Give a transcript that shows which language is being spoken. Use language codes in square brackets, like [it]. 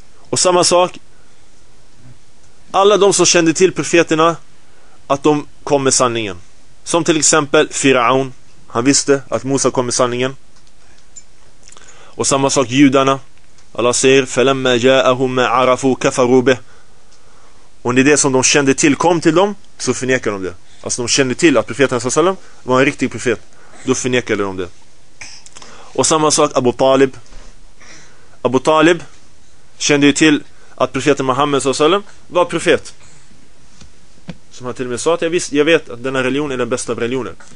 [sv] Och samma sak, alla de som kände till profeterna, att de kom med sanningen. Som till exempel Firaun, han visste att Mosa kom med sanningen. Och samma sak judarna. Allah säger [ar] فَلَمَّا جَاءَهُمْ عَرَفُوا كَفَرُوا بِهِ. [sv] Och det som de kände till kom till dem, så förnekade de det. Alltså de kände till att profeten sallam var en riktig profet, då förnekade de det. Och samma sak Abu Talib. Abu Talib kände ju till att profeten Muhammed sallam var profet, som han till och med sa att jag vet att denna religion är den bästa av religioner.